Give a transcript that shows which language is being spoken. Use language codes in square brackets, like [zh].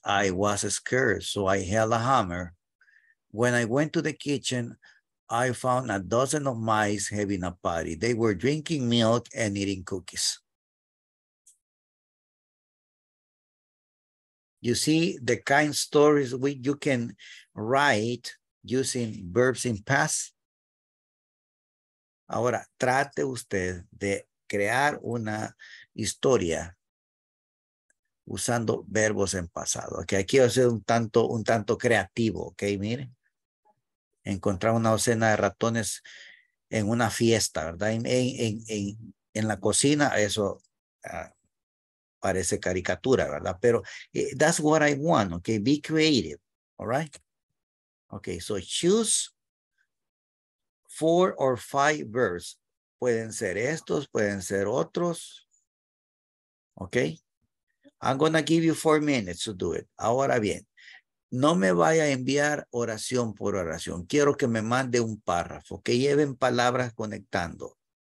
[en] I was scared, so I held a hammer. When I went to the kitchen, I found a dozen of mice having a party. They were drinking milk and eating cookies. You see the kind of stories you can write using verbs in past? [es] Ahora, trate usted de crear una historia usando verbos en pasado. Okay, aquí va a ser un tanto creativo, ok, miren. Encontrar una docena de ratones en una fiesta, ¿verdad? En, en, en, en la cocina, eso parece caricatura, ¿verdad? Pero [en] that's what I want, okay? Be creative, all right? Okay, so choose 4 or 5 verbs. [es] Pueden ser estos, pueden ser otros. Okay? [en] I'm going to give you 4 minutes to do it. [es] Ahora bien, no me vaya a enviar oración por oración. Quiero que me mande un párrafo, que lleven palabras conectando.